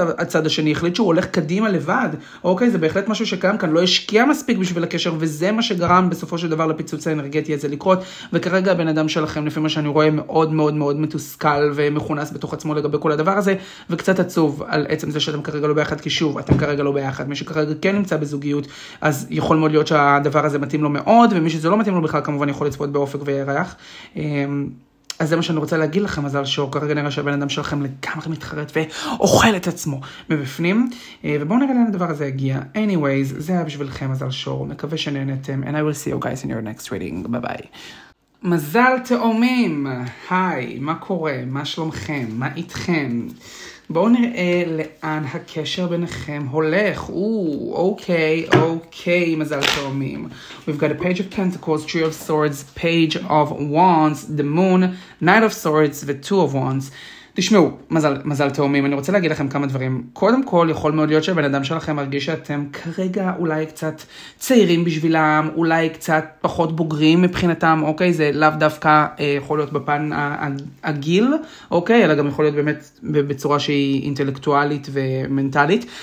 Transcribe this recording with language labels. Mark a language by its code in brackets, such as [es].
[he] הצד השני, החליט שהוא הולך קדימה לבד, אוקיי, זה בהחלט משהו שקיים כאן, לא השקיע מספיק בשביל הקשר, וזה מה שגרם בסופו של דבר לפיצוץ האנרגטי הזה לקרות, וכרגע הבן אדם שלכם, לפי מה שאני רואה, מאוד מאוד מאוד מתוסכל ומכונס בתוך עצמו לגבי כל הדבר הזה, וקצת עצוב על עצם זה שאתם כרגע לא ביחד, כי שוב, אתם כרגע לא ביחד, מי שכרגע כן נמצא בזוגיות, אז יכול מאוד להיות שהדבר הזה מתאים לו מאוד, ומי שזה לא מתאים לו בכלל, כמובן יכול לצפות באופק וירח. אז זה מה שאני רוצה להגיד לכם, מזל שור, כרגע נראה שהבן אדם שלכם לגמרי מתחרט ואוכל את עצמו מבפנים, ובואו נראה לאן הדבר הזה יגיע. [en] Anyways, [he] זה היה בשבילכם, מזל שור, מקווה שנהנתם, [en] and I will see you guys in your next reading, bye bye. [he] מזל תאומים, היי, מה קורה, מה שלומכם, מה איתכם? בואו נראה לאן הקשר ביניכם הולך. אוקיי, מזל תאומים. [en] We've got a page of pentacles, three of swords, page of wands, the moon, knight of swords, the two of wands. [he] תשמעו, מזל תאומים, אני רוצה להגיד לכם כמה דברים. קודם כל, יכול מאוד להיות שבן אדם שלכם מרגיש שאתם כרגע אולי קצת צעירים בשבילם, אולי קצת פחות בוגרים מבחינתם, אוקיי? זה לאו דווקא יכול להיות בפן הגיל, אוקיי? אלא גם יכול להיות באמת בצורה שהיא אינטלקטואלית ומנטלית.